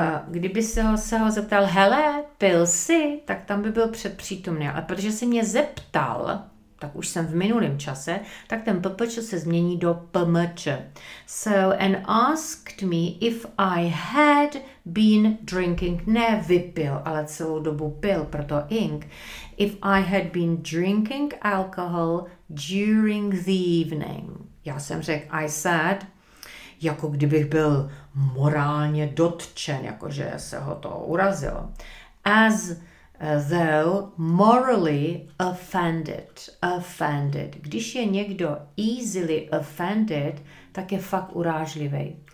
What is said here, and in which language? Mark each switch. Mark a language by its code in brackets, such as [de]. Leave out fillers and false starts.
[cs] Kdyby se ho zeptal, hele, pil jsi, tak tam by byl předpřítomný. Ale protože se mě zeptal, tak už jsem v minulém čase, tak ten PPČ se změní do PMČ. [en] So, and asked me if I had been drinking, [cs] ne vypil, ale celou dobu pil, proto ink, [en] if I had been drinking alcohol during the evening. [cs] Já jsem řekl, [en] I said, [cs] jako kdybych byl morálně dotčen, jakože se ho to urazilo. [en] As though morally offended. [cs] Když je někdo [en] easily offended, [cs] tak je fakt urážlivý.